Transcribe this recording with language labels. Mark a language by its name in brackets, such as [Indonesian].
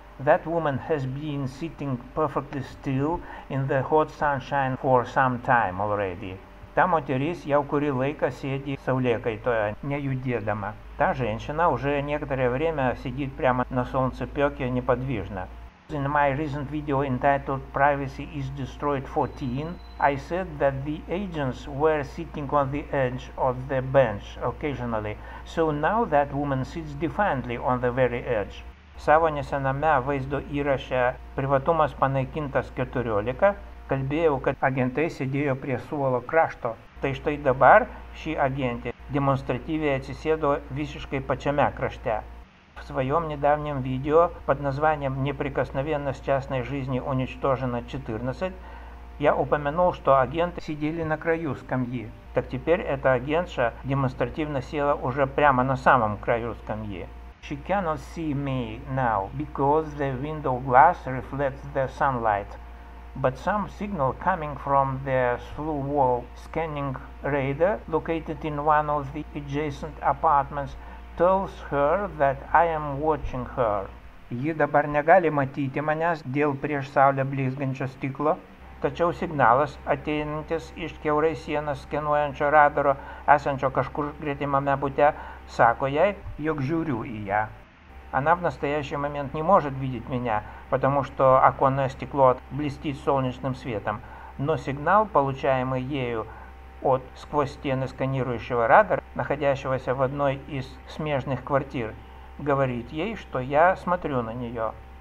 [English] That woman has been sitting perfectly still in the hot sunshine for some time already. [Lithuanian] Та moteris jau kurį laiką sėdi saulėkaitoje, nejudėdama. [Russian] Та женщина уже некоторое время сидит прямо на солнцепёке неподвижно. [English] In my recent video entitled Privacy is Destroyed 14, I said that the agents were sitting on the edge of the bench occasionally, so now that woman sits defiantly on the very edge. [Lithuanian] Savo nesename vaizdo įraše privatumas panaikintas 14, kalbėjau, kad agentai sėdėjo prie suolo krašto. Tai štai dabar ši agentė demonstratyviai atsisėdo visiškai pačiame krašte. [Russian] В своем недавнем видео под названием «Неприкосновенность частной жизни уничтожена 14» я упомянул, что агенты сидели на краю скамьи. Так теперь эта агентша демонстративно села уже прямо на самом краю скамьи. [English] She cannot see me now, because the window glass reflects the sunlight. But some signal coming from the slough wall scanning radar located in one of the adjacent apartments tells her that I am watching her. [Lithuanian] Ji dabar negali matyti manęs dėl prieš saulę blizgančio stiklo, tačiau signalas ateinantis iš kiaurai sienas skenuojančio radaro esančio kažkur gretimame bute sako jai, jog žiūriu į ją. [Russian] Она в настоящий момент не может видеть меня, потому что оконное стекло блестит солнечным светом, но сигнал, получаемый ею от сквозь стены сканирующего радара, находящегося в одной из смежных квартир, говорит ей, что я смотрю на нее.